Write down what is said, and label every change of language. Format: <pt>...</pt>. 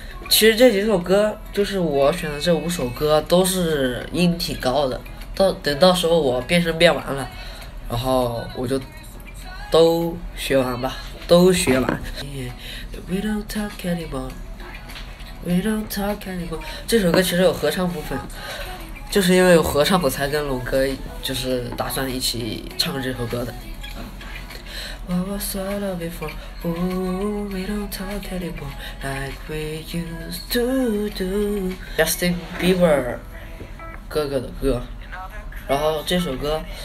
<zh>其实这几首歌就是我选的这五首歌都是音挺高的，等到时候我变声变完了，然后我就都学完吧，都学完。</zh> <en>We don't talk anymore, we don't talk anymore。</en> <zh>这首歌其实有合唱部分，就是因为有合唱，我才跟龙哥就是打算一起唱这首歌的。</zh> <en>What was I love before? Ooh, we don't talk anymore like we used to do.</en> <zh>Justin Bieber 哥哥的歌，然后这首歌。</zh>